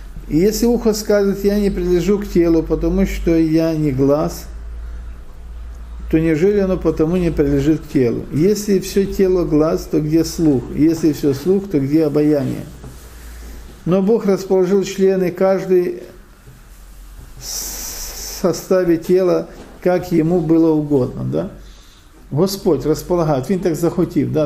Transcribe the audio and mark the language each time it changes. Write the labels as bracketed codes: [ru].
[uk] І якщо ухо скаже, я не прилежу к тілу, тому що я не глаз, то не жилі воно потому не прилежить к тілу. Якщо все тіло глаз, то де слух? Якщо все слух, то де обаяние? [ru] Но Бог расположил члены, каждый в составе тела, как ему было угодно. Да? Господь располагает, [uk] Він так захотів, да?